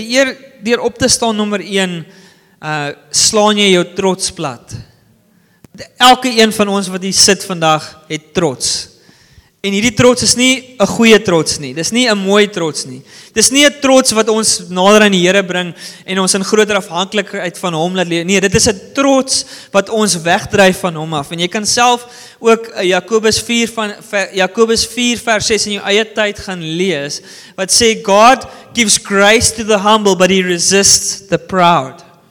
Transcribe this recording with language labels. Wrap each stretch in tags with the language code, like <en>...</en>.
<af>Die eer, deur op te staan nummer 1, slaan jy jou trots plat. Elke een van ons wat hier sit vandag het trots. En hierdie trots is nie 'n goeie trots nie. Dis nie 'n mooi trots nie. Dis nie 'n trots wat ons nader aan die Here bring en ons in groter afhanklikheid van hom laat leef. Nee, dit is 'n trots wat ons wegdryf van hom af. En jy kan self ook Jakobus 4 vers 6 in jou eie tyd gaan lees wat sê</af> <en>God gives grace to the humble but he resists the proud.</en>